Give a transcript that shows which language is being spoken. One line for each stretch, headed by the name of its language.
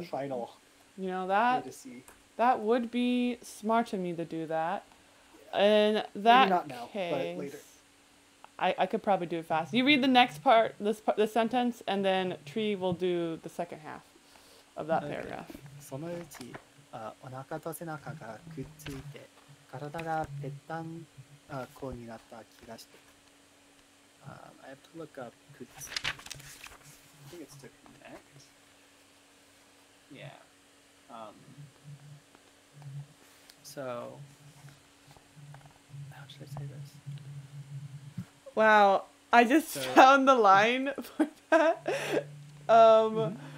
English: The final. You know, that that would be smart of me to do that. And that maybe not now, case, but later. I could probably do it fast. You read the next part, this sentence, and then Tree will do the second half of that paragraph.
Japanese: その うち、お腹と背中がくっついて、体がぺったんこになった気がして。
English: I have to look up くっついて。I think it's to connect. Yeah. So, how should I say this? Wow, I just found the line for that.